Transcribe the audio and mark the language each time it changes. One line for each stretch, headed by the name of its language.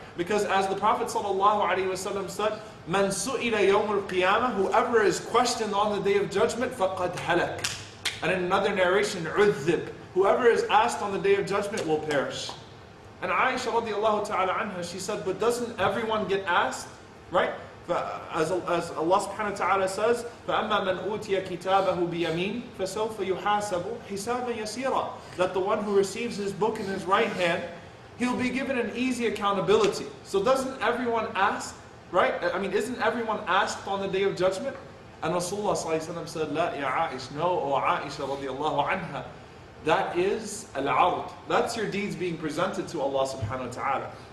English: Because as the Prophet sallallahu alayhi wa sallam said, مَنْ سُئِلَ يَوْمُ الْقِيَامَةِ. Whoever is questioned on the Day of Judgment, فَقَدْ هَلَكَ. And in another narration, عُذِّبْ. Whoever is asked on the Day of Judgment will perish. And Aisha radiallahu ta'ala anha, she said, but doesn't everyone get asked, right?
Arabic: As Allah subhanahu wa ta'ala says, فَأَمَّا مَنْ أُوْتِيَ كِتَابَهُ بِيَمِينَ فَسَوْفَ يُحَاسَبُ حِسَابًا يَسِيرًا.
English: That the one who receives his book in his right hand, he'll be given an easy accountability. So doesn't everyone ask, right? I mean, isn't everyone asked on the Day of Judgment? And Rasulullah sallallahu alayhi wa sallam said, لا يا عائش. No, O Aisha radiallahu anha. That is al-'ard. That's your deeds being presented to Allah subhanahu wa ta'ala.